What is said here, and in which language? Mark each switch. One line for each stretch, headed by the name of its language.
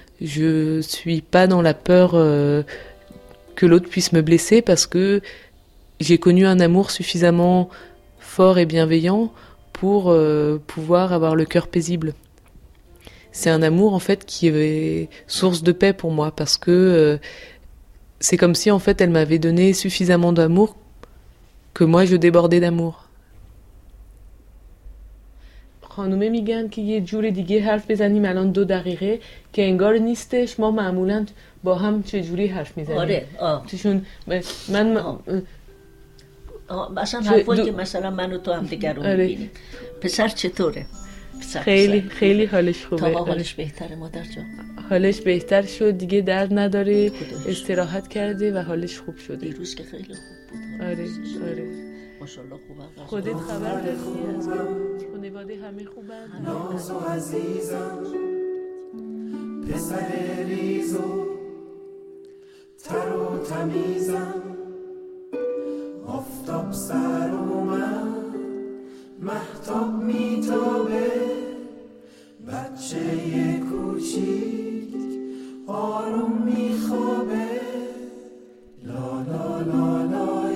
French: Je suis pas dans la peur que l'autre puisse me blesser parce que j'ai connu un amour suffisamment fort et bienveillant pour pouvoir avoir le cœur paisible. C'est un amour en fait qui est source de paix pour moi parce que c'est comme si en fait elle m'avait donné suffisamment d'amour que moi je débordais d'amour.
Persian: خانم میگن که یه جور دیگه حرف بزنیم الان دو دقیقه که انگار نیستش ما معمولا با هم چه جوری حرف میزنیم آره چون من مثلا حرفی که مثلا من و تو هم دیگر رو آره. میبینیم پسر چطوره؟ پسر خیلی پسر. خیلی حالش خوبه تا حالش بهتره مادر جان حالش بهتر شد دیگه درد نداره استراحت کرده و حالش خوب شده دیروز که خیلی خوب بود حالش آره شده. آره خودت خبر داری از خانواده همه خوبن ناز و عزیزم پسر ریز و تر و تمیزم افتاب سر اومد محتاب میتابه بچه یه کوچیک آروم میخوابه لا لا لا لا